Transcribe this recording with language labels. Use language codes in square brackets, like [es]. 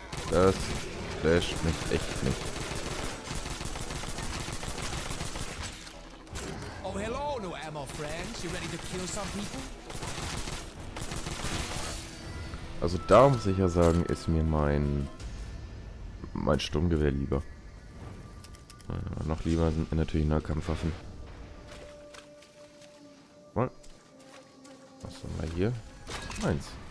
[de] Das flasht mich echt nicht. [en] Oh, hello, no ammo friends. You ready to kill some people? [de] Also da muss ich ja sagen, ist mir mein Sturmgewehr lieber. Ja, noch lieber sind mir natürlich Nahkampfwaffen. Was haben wir hier? Meins.